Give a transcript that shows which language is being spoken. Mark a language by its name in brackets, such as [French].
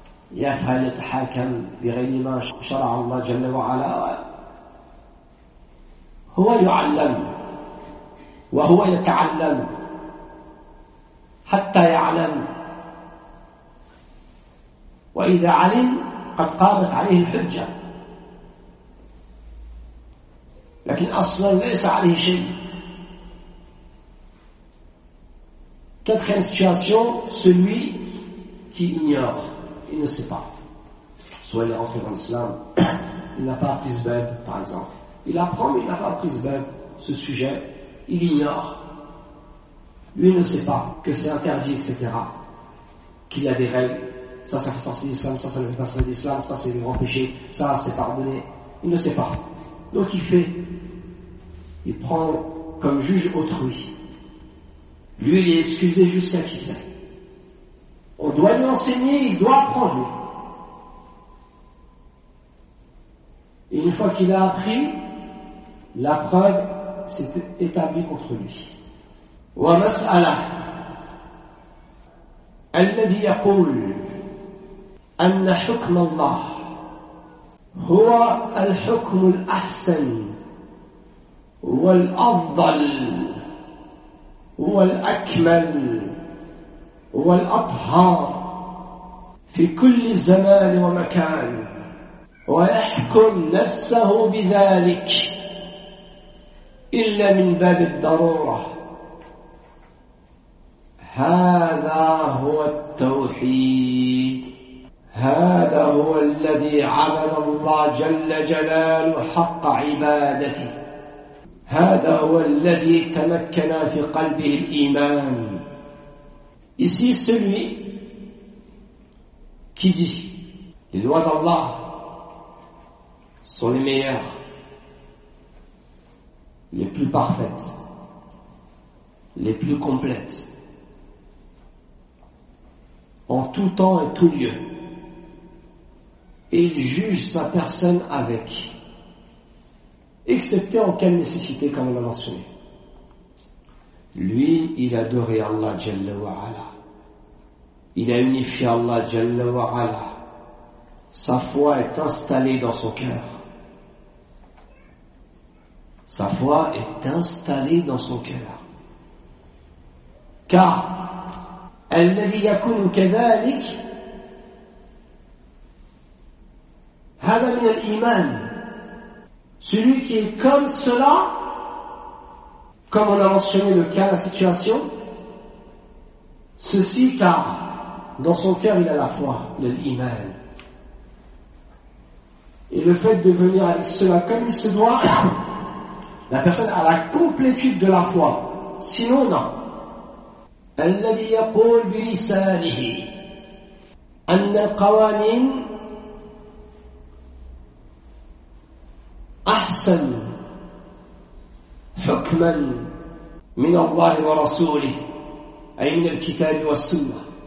[Arabic] يفعل يتحاكم بغير ما شرع الله جل وعلا هو يعلم وهو يتعلم حتى يعلم وإذا علم قد قامت عليه الحجة لكن أصلا ليس عليه شيء. [French] Quatrième situation, celui qui ignore. Il ne sait pas. Soit il est rentré dans l'islam, il n'a pas appris Zbeb, par exemple. Il apprend, mais il n'a pas appris Zbeb, ce sujet. Il ignore. Lui ne sait pas que c'est interdit, etc. Qu'il y a des règles. Ça, ça fait sortir l'islam, ça ne fait pas sortir l'islam, ça, c'est des grands péchés, ça, c'est pardonné. Il ne sait pas. Donc il fait. Il prend comme juge autrui. Lui, il est excusé jusqu'à qui sait. On doit lui enseigner, il doit apprendre. Et une fois qu'il a appris, la preuve s'est établie contre lui. [Arabic] Wa mas'ala alladhi yaqul anna hukm Allah huwa al-hukm al-ahsan wal-afdal wal-akmal والأطهار في كل زمان ومكان ويحكم نفسه بذلك إلا من باب الضرورة هذا هو التوحيد هذا هو الذي عبد الله جل جلاله حق عبادته هذا هو الذي تمكن في قلبه الإيمان. [French] Ici, celui qui dit les lois d'Allah sont les meilleures, les plus parfaites, les plus complètes, en tout temps et tout lieu. Et il juge sa personne avec, excepté en quelle nécessité, comme on l'a mentionné. Lui, il adorait Allah, Jalla wa Ala. Il a unifié Allah Jalla wa Ala. Sa foi est installée dans son cœur. Sa foi est installée dans son cœur. [Arabic] Car الذي يكون كذلك هذا من الإيمان. [French] Celui qui est comme cela, comme on a mentionné le cas, la situation, ceci car dans son cœur, il a la foi, l'iman. Et le fait de venir avec cela comme il se doit, la personne a la complétude de la foi. Sinon, non. [Arabic] الذي يقول بلسانه أن القوانين أحسن حكما من الله ورسوله أي من الكتاب والسنة.